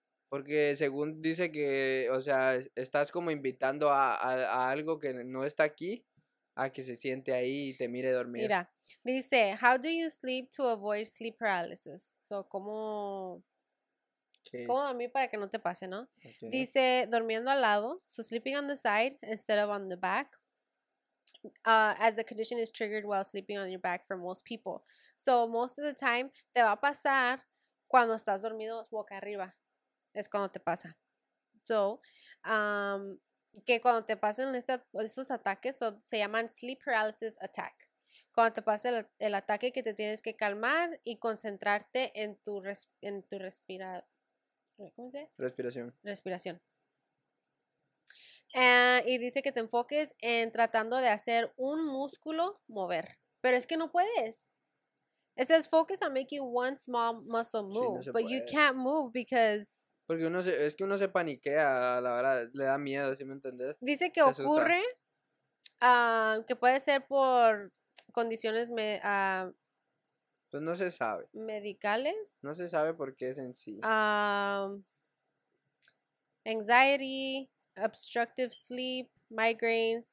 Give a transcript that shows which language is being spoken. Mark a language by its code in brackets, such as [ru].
[es] Porque según dice que, o sea, estás como invitando a algo que no está aquí. A que se siente ahí y te mire dormir. Mira, dice, [en] how do you sleep to avoid sleep paralysis? [es] So, ¿cómo? Okay. ¿Cómo dormir para que no te pase, no? Okay. Dice, durmiendo al lado, [en] so sleeping on the side instead of on the back, as the condition is triggered while sleeping on your back for most people. [es] So, most of the time, te va a pasar cuando estás dormido boca arriba. Es cuando te pasa. So, que cuando te pasen estos ataques, se llaman [en] sleep paralysis attack. [es] Cuando te pasa el ataque, que te tienes que calmar y concentrarte en tu respiración. Y dice que te enfoques en tratando de hacer un músculo mover. Pero es que no puedes. [en] It says focus on making one small muscle move, [es] sí, no se puede. [en] But you can't move because... [es] Porque uno se, es que uno se paniquea, la verdad, le da miedo, ¿sí me entendés? Dice que ocurre, que puede ser por condiciones pues no se sabe. ¿Medicales? No se sabe por qué es en sí. [en] Anxiety, obstructive sleep, migraines.